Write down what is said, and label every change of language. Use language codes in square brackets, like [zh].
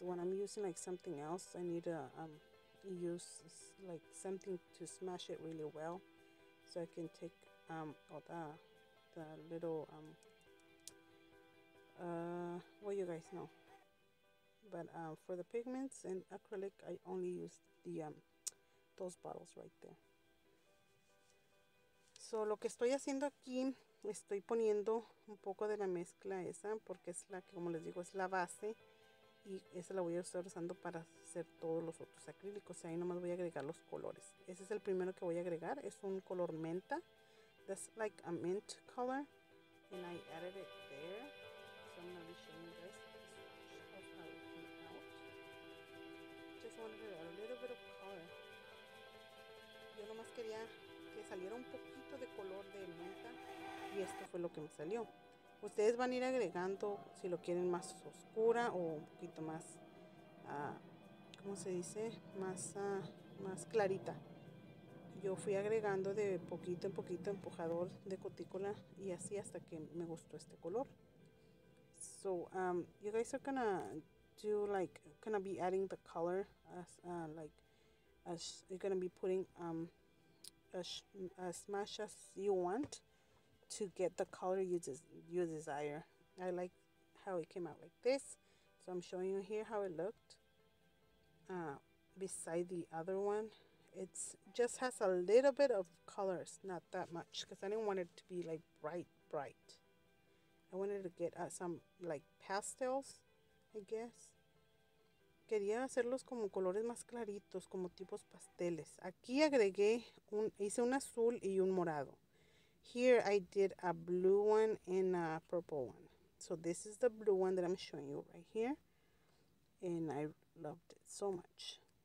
[en] When I'm using like something else, I need to use like something to smash it really well, so I can take all the little well, you guys know. But for the pigments and acrylic, I only use the those bottles right there. [es] So lo que estoy haciendo aquí, estoy poniendo un poco de la mezcla esa, porque es la que, como les digo, es la base, y esa la voy a estar usando para hacer todos los otros acrílicos. Y ahí nomás voy a agregar los colores. Ese es el primero que voy a agregar, es un color menta. [en] That's like a mint color, and I added it there. So I'm going to be showing you guys the swatch of how it came out. Just wanted to add a little bit of color. [es] Yo nomás quería que saliera un poquito de color de menta, y esto fue lo que me salió. Ustedes van a ir agregando si lo quieren más oscura o un poquito más, ¿cómo se dice? Más clarita. Yo fui agregando de poquito en poquito empujador de cutícula, y así hasta que me gustó este color. [en] So, you guys are gonna do like, gonna be adding the color as, like, as you're gonna be putting as much as you want to get the color you desire. I like how it came out like this. So I'm showing you here how it looked beside the other one. It just has a little bit of colors, not that much, because I didn't want it to be like bright. I wanted to get some like pastels, I guess. [es] Quería hacerlos como colores más claritos, como tipos pasteles. Aquí agregué hice un azul y un morado. [en] Here I did a blue one and a purple one. So this is the blue one that I'm showing you right here, and I loved it so much.